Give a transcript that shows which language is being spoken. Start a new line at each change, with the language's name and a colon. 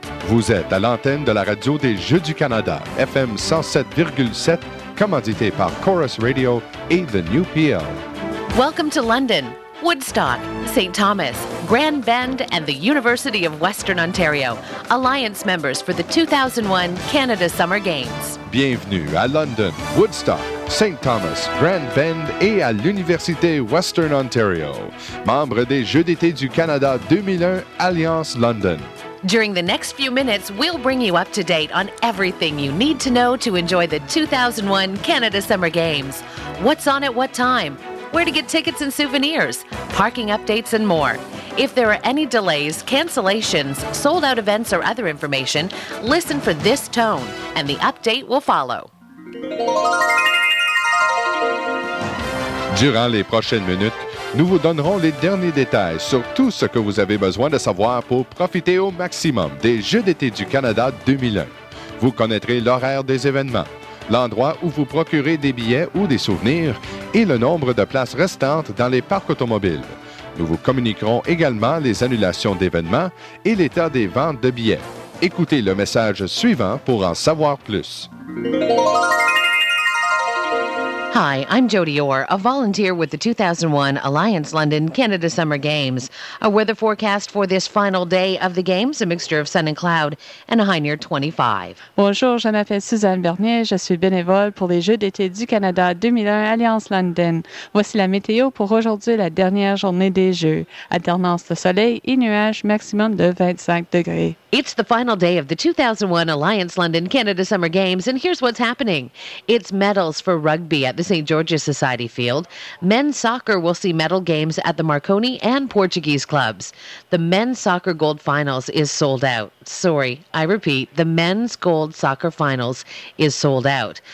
French: Vous êtes à l'antenne de la radio des Jeux du Canada, FM 107.7, commandité par Chorus Radio et the New PL.
English: Welcome to London, Woodstock, St. Thomas, Grand Bend, and the University of Western Ontario, alliance members for the 2001 Canada Summer Games.
French: Bienvenue à London, Woodstock, St. Thomas, Grand Bend et à l'Université Western Ontario, membre des Jeux d'été du Canada 2001, Alliance London.
English: During the next few minutes, we'll bring you up to date on everything you need to know to enjoy the 2001 Canada Summer Games. What's on at what time? Where to get tickets and souvenirs, parking updates, and more. If there are any delays, cancellations, sold-out events, or other information, listen for this tone, and the update will follow.
French: Durant les prochaines minutes, nous vous donnerons les derniers détails sur tout ce que vous avez besoin de savoir pour profiter au maximum des Jeux d'été du Canada 2001. Vous connaîtrez l'horaire des événements, l'endroit où vous procurez des billets ou des souvenirs et le nombre de places restantes dans les parcs automobiles. Nous vous communiquerons également les annulations d'événements et l'état des ventes de billets. Écoutez le message suivant pour en savoir plus.
English: Hi, I'm Jody Orr, a volunteer with the 2001 Alliance London Canada Summer Games. A weather forecast for this final day of the Games, a mixture of sun and cloud, and a high near 25.
French: Bonjour, je m'appelle Suzanne Bernier, je suis bénévole pour les Jeux d'été du Canada 2001 Alliance London. Voici la météo pour aujourd'hui, la dernière journée des Jeux. Alternance de soleil et nuages, maximum de 25 degrés.
English: It's the final day of the 2001 Alliance London Canada Summer Games, and here's what's happening. It's medals for rugby at the St. George's Society Field. Men's soccer will see medal games at the Marconi and Portuguese clubs. The men's soccer gold finals is sold out. Sorry, I repeat, the men's gold soccer finals is sold out.